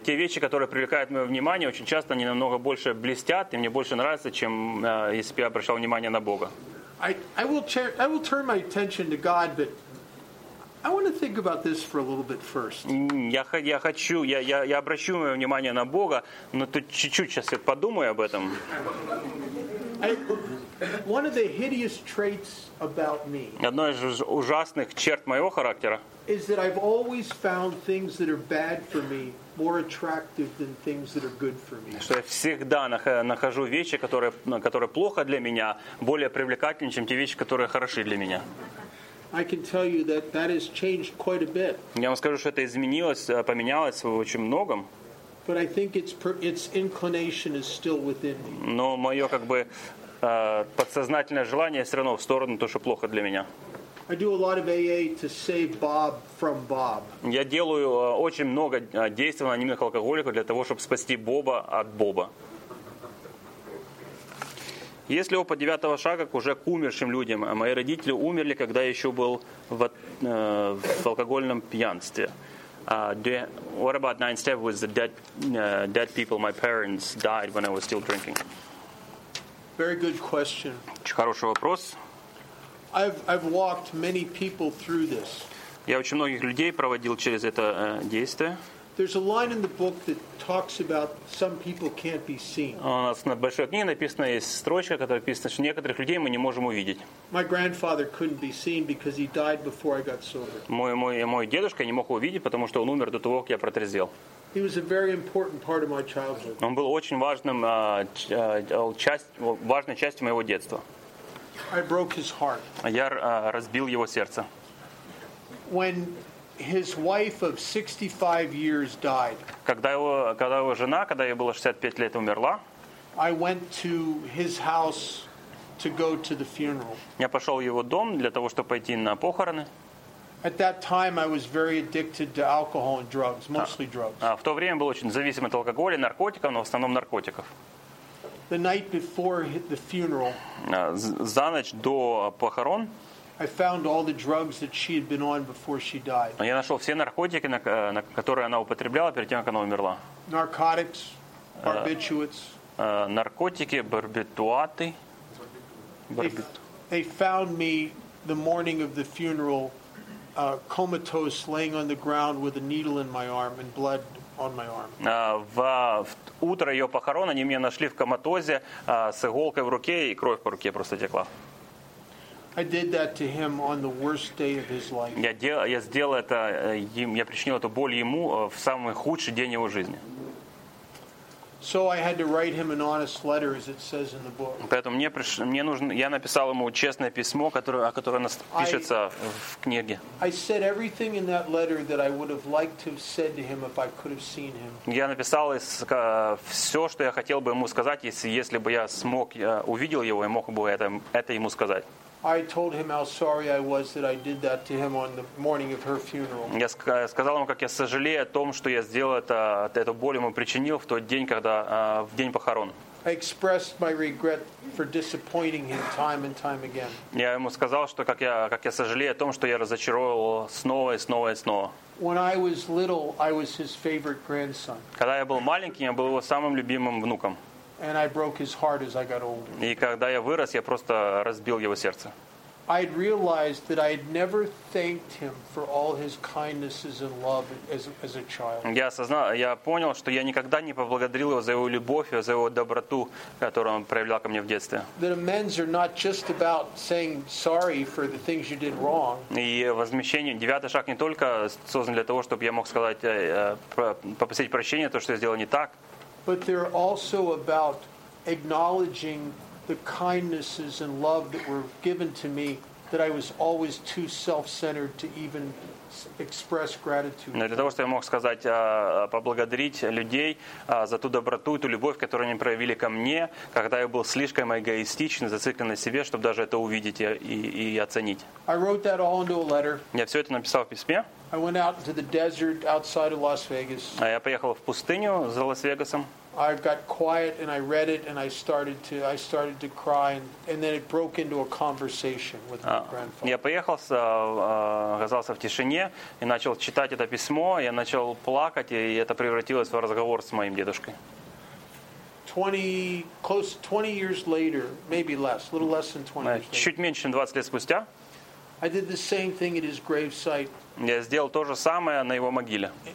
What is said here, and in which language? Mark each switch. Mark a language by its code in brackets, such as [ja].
[ru] Те вещи, которые привлекают мое внимание, очень часто они намного больше блестят и мне больше нравятся, чем если бы я обращал внимание на Бога. [en] I will turn my attention to God, but I want to think about this for a little bit first. [ru] Я обращу мое внимание на Бога, но тут чуть-чуть сейчас я подумаю об этом. [en] One of the hideous traits about me. [ru] Одно из ужасных черт моего характера. [en] Is that I've always found things that are bad for me more attractive than things that are good for me. [ru] Что я всегда нахожу вещи, которые плохо для меня, более привлекательными, чем те вещи, которые хороши для меня. [en] I can tell you that has changed quite a bit. [ru] Я вам скажу, что это изменилось, поменялось в очень многом. [en] But I think its inclination is still within me. [ru] Но мое как бы подсознательное желание все равно в сторону то, что плохо для меня. [en] I do a lot of AA to save Bob from Bob. [ru] Я делаю очень много действий на анонимных алкоголиков для того, чтобы спасти Боба от Боба. Есть ли опыт девятого шага к уже к умершим людям? Мои родители умерли, когда я еще был в алкогольном пьянстве. [en] What about ninth step with the dead people? My parents died when I was still drinking. Very good question. [ru] Очень хороший вопрос. [en] I've walked many people through this. [ru] Я очень многих людей проводил через это действие. [en] There's a line in the book that talks about some people can't be seen. [ru] У нас на большой книге написано есть строчка, которая написана, что некоторых людей мы не можем увидеть. [en] My grandfather couldn't be seen because he died before I got sober. [ru] Мой дедушка не мог увидеть, потому что он умер до того, как я протрезвел. [en] He was a very important part of my childhood. [ru] Он был очень важной частью моего детства. [en] I broke his heart. [ru] Я разбил его сердце. [en] When his wife of 65 years died. [ru] Когда его жена, когда ей было 65 лет, умерла. [en] I went to his house to go to the funeral. [ru] Я пошел в его дом для того, чтобы пойти на похороны. [en] At that time I was very addicted to alcohol and drugs, mostly drugs. [ru] В то время был очень зависим от алкоголя, наркотиков, но в основном наркотиков. [en] The night before the funeral. [ru] За ночь до похорон. [en] I found all the drugs that she had been on before she died. [ru] Я нашел все наркотики, на которые она употребляла перед тем, как она умерла. [en] Narcotics, barbiturates. [ru] Наркотики, барбитураты. [en] They found me the morning of the funeral, comatose, laying on the ground with a needle in my arm and blood on my arm. [ru] В утро ее похорон они меня нашли в коматозе с иголкой в руке и кровь по руке просто текла. [en] I did that to him on the worst day of his life. [ru] Я причинил эту боль ему в самый худший день его жизни. [en] So I had to write him an honest letter, as it says in the book. [ru] Поэтому я написал ему честное письмо, которое пишется в книге. [en] I said everything in that letter that I would have liked to have said to him if I could have seen him. [ru] Я написал все, что я хотел бы ему сказать, если бы я смог увидел его и мог бы это ему сказать. [en] I told him how sorry I was that I did that to him on the morning of her funeral. [ru] Я сказал ему, как я сожалею о том, что я сделал эту боль ему причинил в тот день, когда в день похорон. [en] I expressed my regret for disappointing him time and time again. [ru] Я ему сказал, что как я сожалею о том, что я разочаровал снова и снова и снова. [en] When I was little, I was his favorite grandson. [ru] Когда я был маленьким, я был его самым любимым внуком. [en] And I broke his heart as I got older. [ru] И когда я вырос, я просто разбил его сердце. [en] I had realized that I had never thanked him for all his kindnesses and love as a child. [ru] Я понял, что я никогда не поблагодарил его за его любовь и за его доброту, которую он проявлял ко мне в детстве. [en] That amends are not just about saying sorry for the things you did wrong. [ru] И возмещение. Девятый шаг не только создан для того, чтобы я мог сказать попросить прощения то, что я сделал не так. [en] But they're also about acknowledging the kindnesses and love that were given to me that I was always too self-centered to even express gratitude. [ru] Для того, чтобы я мог сказать, поблагодарить людей за ту доброту, ту любовь, которую они проявили ко мне, когда я был слишком эгоистичен, зациклен на себе, чтобы даже это увидеть и оценить. [en] I wrote that all into a letter. [ru] Я все это написал в письме. [en] I went out into the desert outside of Las Vegas. [ru] Я поехал в пустыню за Лас-Вегасом. [en] I got quiet and I read it and I started to cry and then it broke into a conversation with my grandfather. [ru] Я поехал, оказался в тишине и начал читать это письмо, я начал плакать, и это превратилось в разговор с моим дедушкой. [en] Close to 20 years later, maybe less, a little less than 20 years later. [ru] Чуть меньше, чем 20 лет спустя. [en] I did the same thing at his gravesite. [ru] Я сделал то же самое на его могиле.